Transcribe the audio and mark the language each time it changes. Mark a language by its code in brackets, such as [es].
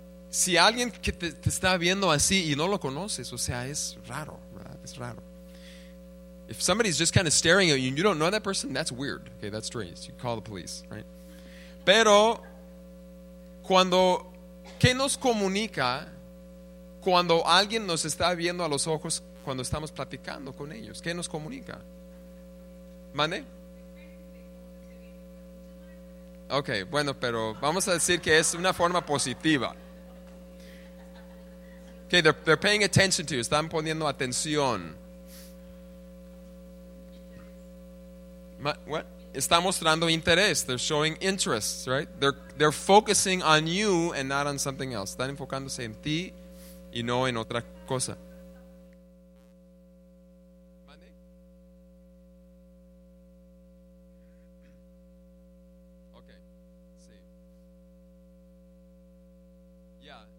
[es] Si alguien que te está viendo así y no lo conoces, o sea, es raro, ¿verdad? Es raro. [en] If somebody's just kind of staring at you and you don't know that person, that's weird. Okay, that's strange. You call the police, right? [es] Pero cuando, ¿qué nos comunica cuando alguien nos está viendo a los ojos cuando estamos platicando con ellos? ¿Qué nos comunica? ¿Mande? Okay, bueno, pero vamos a decir que es una forma positiva. [en] Okay, they're paying attention to you. [es] Están poniendo atención. [en] What? [es] Está mostrando interés. [en] They're showing interest, right? They're focusing on you and not on something else. [es] Están enfocándose en ti y no en otra cosa. Okay. Sí. Yeah.